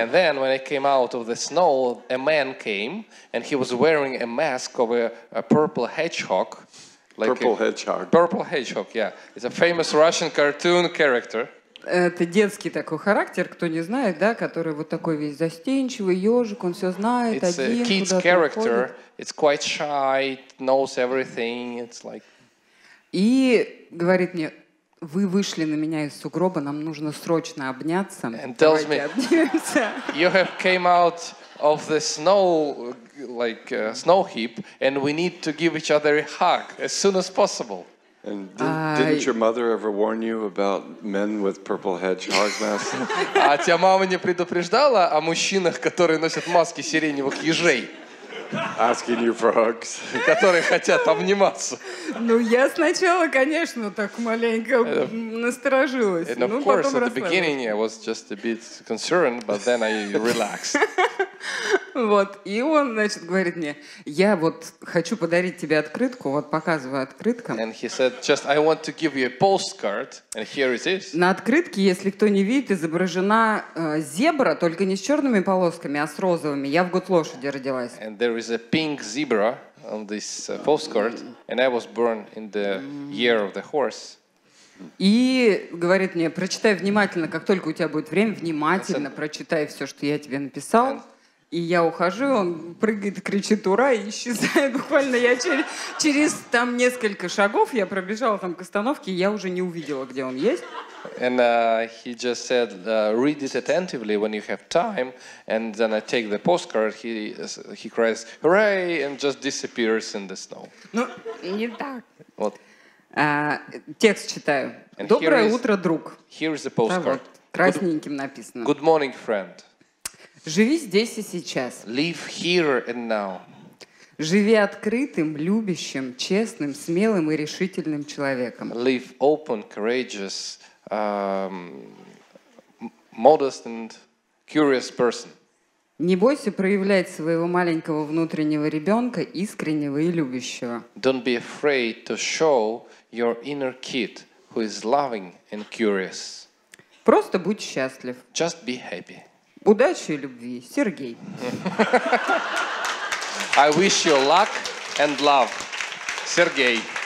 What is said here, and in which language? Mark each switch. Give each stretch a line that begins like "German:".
English: And then when I came out of the snow, a man came and he was wearing a mask of a purple hedgehog. Like purple hedgehog. Purple hedgehog, yeah. It's a famous Russian cartoon character.
Russian: Это детский такой характер, кто не знает, да, который вот такой весь застенчивый ежик, он все знает,
English: it's
Russian: один, куда-то
English: уходит. It's a kid's character. It's quite shy, knows everything. It's like.
Russian: И говорит мне, вы вышли на меня из сугроба, нам нужно срочно обняться.
English: And tells me,
Russian: обнимемся.
English: You have came out of the snow, like snow heap, and we need to give each other a hug as soon as possible. And didn't your mother ever warn you about men with purple hedgehog masks?
Russian: А тебя мама не предупреждала о мужчинах, которые носят маски сиреневых ежей?
English: asking you for hugs.
Russian: Которые хотят обниматься. Ну, я сначала, конечно, так маленько насторожилась.
English: And of course, at the beginning, I was just a bit concerned, but then I relaxed.
Russian: Вот, и он, значит, говорит мне, я вот хочу подарить тебе открытку, вот показываю открытку.
English: And he said, just I want to give you a postcard, and here it is.
Russian: На открытке, если кто не видит, изображена зебра, только не с черными полосками, а с розовыми. Я в год лошади родилась.
English: And there is a pink zebra on this postcard, and I was born in the year of the horse.
Russian: И говорит мне, прочитай внимательно, как только у тебя будет время, внимательно прочитай все, что я тебе написал. И я ухожу, он прыгает, кричит «Ура!» и исчезает. Буквально я через там несколько шагов, я пробежала там к остановке, и я уже не увидела, где он есть.
English: And he just said, read it attentively when you have time, and then I take the postcard, he cries «Hooray!» and just disappears in the snow.
Russian: Ну, не так. Вот. Текст читаю.
English: And
Russian: «Доброе утро, друг!»
English: Here is the postcard. Вот,
Russian: красненьким написано.
English: «Good morning, friend!»
Russian: Живи здесь и сейчас.
English: Live here and now.
Russian: Живи открытым, любящим, честным, смелым и решительным человеком.
English: Live open, courageous, modest and curious person.
Russian: Не бойся проявлять своего маленького внутреннего ребенка, искреннего и любящего.
English: Don't be afraid to show your inner kid who is loving and curious.
Russian: Просто будь счастлив.
English: Just be happy.
Russian: Удачи и любви, Сергей.
English: I wish you luck and love, Сергей.